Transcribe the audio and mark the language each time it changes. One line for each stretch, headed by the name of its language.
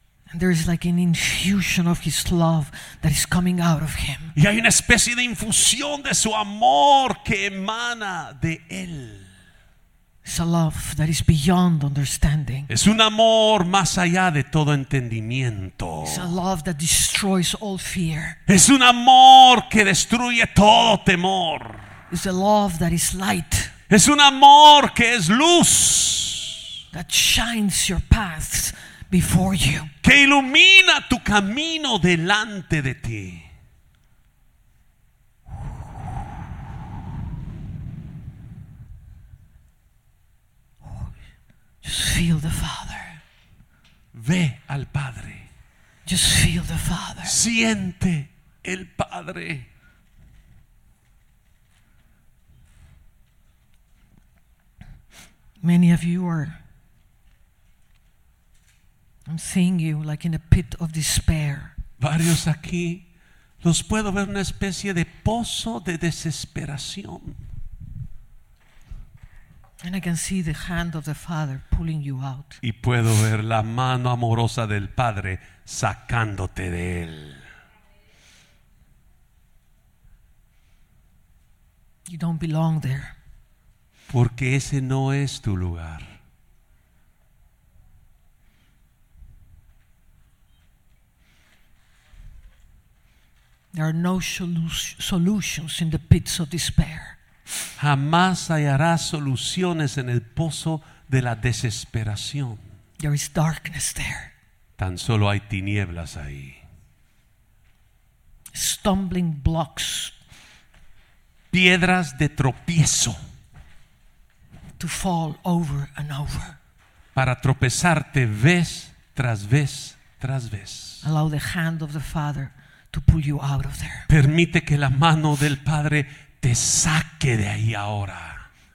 English: And there is like an infusion of his love that is coming out of him.
Spanish: Y hay una especie de infusión de su amor que emana de él.
English: It's a love that is beyond understanding.
Spanish: Es un amor más allá de todo entendimiento.
English: It's a love that destroys all fear.
Spanish: Es un amor que destruye todo temor.
English: It's a love that is light.
Spanish: Es un amor que es luz.
English: That shines your paths before you.
Spanish: Que ilumina tu camino delante de ti.
English: Just feel the Father.
Spanish: Ve al Padre.
English: Just feel the Father.
Spanish: Siente el Padre.
English: Many of you are. I'm seeing you like in a pit of despair.
Spanish: Varios aquí, los puedo ver una especie de pozo de desesperación.
English: And I can see the hand of the Father pulling you out.
Spanish: Y puedo ver la mano amorosa del Padre sacándote de él.
English: You don't belong there.
Spanish: Porque ese no es tu lugar.
English: There are no solutions in the pits of despair.
Spanish: Jamás hallarás soluciones en el pozo de la desesperación.
English: There is darkness there.
Spanish: Tan solo hay tinieblas ahí.
English: Stumbling blocks.
Spanish: Piedras de tropiezo.
English: To fall over and over.
Spanish: Para tropezarte vez tras vez tras vez.
English: Allow the hand of the Father to pull you out of there.
Spanish: Permite que la mano del Padre te saque de ahí ahora.